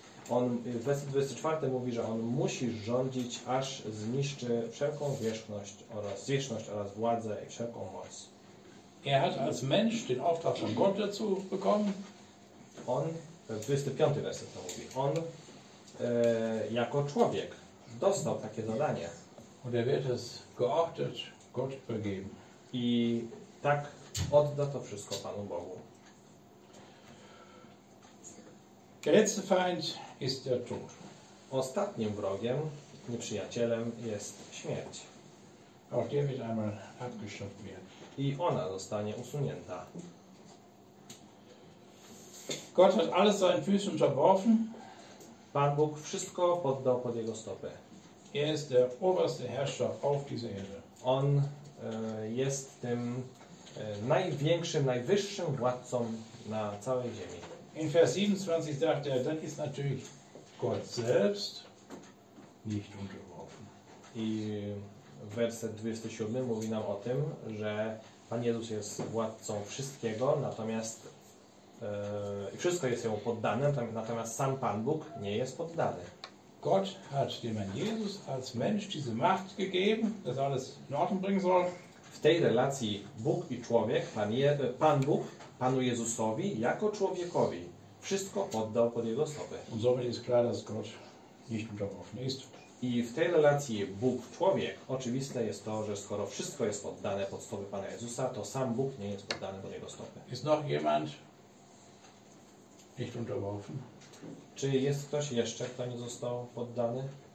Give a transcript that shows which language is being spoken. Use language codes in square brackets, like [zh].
[pl] On, werset 24 mówi, że on musi rządzić, aż zniszczy wszelką zwierzchność oraz władzę i wszelką moc. [de] Er hat als Mensch den Auftrag von Gott dazu bekommen. [pl] On, 25. werset to mówi, on jako człowiek dostał takie zadanie. [de] Und er wird es geachtet, Gott übergeben. [pl] I tak odda to wszystko Panu Bogu. [de] Der letzte Feind ist der Tod. [pl] ostatnim wrogiem, nieprzyjacielem jest śmierć. [de] Auch der wird einmal abgeschafft werden. [pl] I ona zostanie usunięta. [de] Gott hat alles seinen Füßen unterworfen. [pl] Pan Bóg wszystko poddał pod jego stopy. [de] Er ist der oberste Herrscher auf dieser Erde. [pl] On jest tym największym, najwyższym władcą na całej ziemi. [de] In Vers 27 sagt er, dann ist natürlich Gott selbst nicht unterworfen. [pl] I werset 27 mówi nam o tym, że Pan Jezus jest władcą wszystkiego, natomiast wszystko jest jemu poddane, natomiast sam Pan Bóg nie jest poddany. [de] Gott hat dem Herrn Jesus als Mensch diese Macht gegeben, das alles in Ordnung bringen soll. [pl] W tej relacji Bóg i człowiek, Pan Bóg Panu Jezusowi jako człowiekowi wszystko oddał pod jego stopy. [de] Und somit ist klar, dass Gott nicht unterworfen ist. [pl] I w tej relacji Bóg-człowiek oczywiste jest to, że skoro wszystko jest poddane pod stopy Pana Jezusa, to sam Bóg nie jest poddany pod jego stopy. [de] Ist noch jemand nicht unterworfen? [pl] Czy jest ktoś jeszcze, kto nie został poddany?